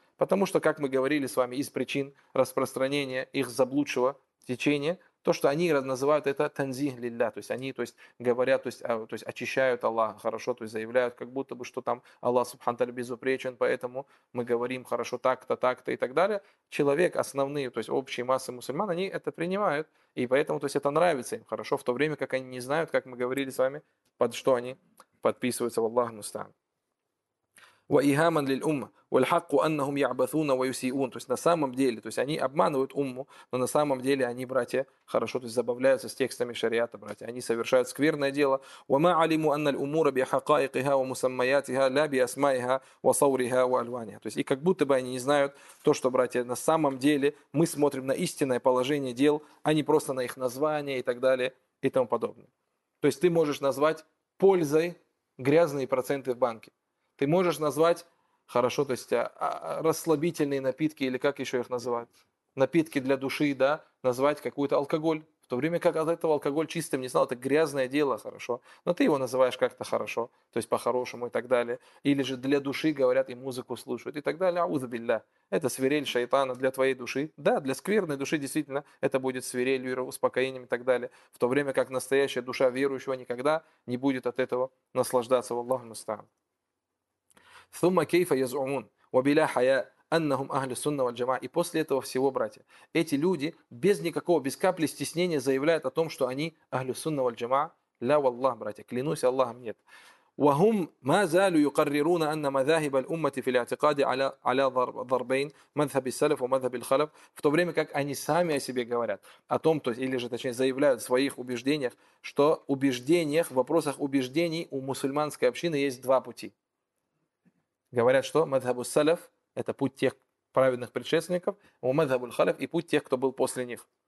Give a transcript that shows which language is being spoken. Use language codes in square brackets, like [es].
[ru] Потому что, как мы говорили с вами, из причин распространения их заблудшего течения, то, что они называют это танзих лилля, то есть они говорят, очищают Аллаха, хорошо, то есть заявляют, как будто бы, что там Аллах Субхану Тааля безупречен, поэтому мы говорим хорошо так-то, так-то и так далее. Человек, основные, то есть общие массы мусульман, они это принимают, и поэтому, то есть это нравится им, хорошо, в то время, как они не знают, как мы говорили с вами, под что они подписываются в Аллах Мустан. [ar] وإهاماً للأمة والحق أنهم يعبثون ويسيئون. [ru] То есть на самом деле, то есть они обманывают умму, но на самом деле они, братья, хорошо, то есть забавляются с текстами шариата, братья. Они совершают скверное дело. [ar] وما علموا أن الأمور بحقائقها ومسمياتها لا بأسمائها وصورها وألوانها. [ru] То есть и как будто бы они не знают то, что, братья, на самом деле мы смотрим на истинное положение дел, а не просто на их название и так далее и тому подобное. То есть ты можешь назвать пользой грязные проценты в банке. Ты можешь назвать, хорошо, то есть расслабительные напитки, или как еще их называть, напитки для души, да, назвать какой-то алкоголь. В то время как от этого алкоголь чистым не знал, это грязное дело, хорошо. Но ты его называешь как-то хорошо, то есть по-хорошему и так далее. Или же для души, говорят, и музыку слушают и так далее. Аузу билля. Это свирель шайтана для твоей души. Да, для скверной души действительно это будет свирелью, успокоением и так далее. В то время как настоящая душа верующего никогда не будет от этого наслаждаться в Аллаху Мустан. [ar] ثم كيف يزعمون وبلا حياء أنهم أهل السنة والجماعة. [ru] И после этого всего, братья, эти люди без капли стеснения заявляют о том, что они أهل السنة والجماعة. [ar] لا والله, [ru] братья, клянусь Аллахом, нет. [ar] وهم ما زالوا يقررون أن مذاهب الأمة في الاعتقاد على ضربين مذهب السلف ومذهب الخلف. [ru] В то время как они сами о себе говорят о том, то есть, или же точнее заявляют в своих убеждениях, что убеждениях, в вопросах убеждений у мусульманской общины есть два пути. Говорят, что мадхабу салаф – это путь тех праведных предшественников, у мадхабу халаф – и путь тех, кто был после них.